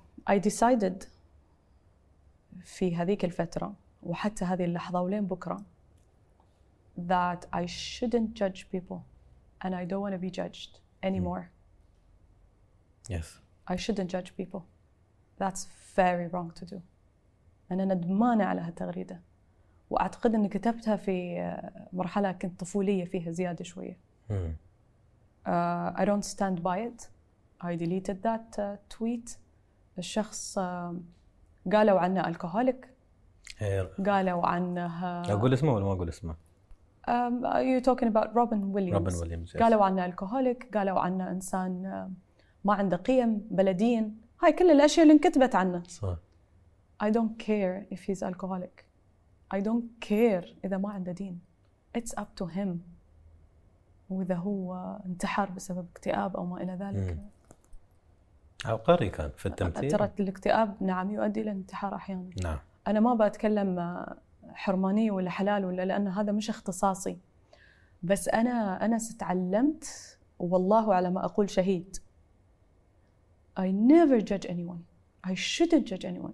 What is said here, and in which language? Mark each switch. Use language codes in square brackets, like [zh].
[en] I decided [ar] في هذيك الفترة وحتى هذه اللحظة ولين بكرة [en] that I shouldn't judge people and I don't want to be judged anymore. Yes. I shouldn't judge people. That's very wrong to do. [ar] أنا ندمانة على هالتغريدة، وأعتقد أني كتبتها في مرحلة كنت طفولية فيها زيادة شوية. [en] I don't stand by it. I deleted that tweet. [ar] الشخص قالوا عنه alcoholic. قالوا عنها أقول اسمه ولا ما أقول اسمه؟ [en] Are you talking about Robin Williams? Robin Williams, yes. [ar] قالوا عنها alcoholic، قالوا عنها إنسان ما عنده قيم، بلدين، هاي كل الأشياء اللي انكتبت عنه. صح. [en] I don't care if he's alcoholic. I don't care [ar] إذا ما عنده دين. [en] It's up to him. [ar] وإذا هو انتحر بسبب اكتئاب أو ما إلى ذلك. عبقري كان في التمثيل. ترى الاكتئاب نعم يؤدي إلى انتحار أحيانا. نعم. أنا ما بأتكلم حرمانية ولا حلال ولا، لأن هذا مش اختصاصي، بس أنا ستعلمت والله على ما أقول شهيد. [en] I never judge anyone. I shouldn't judge anyone.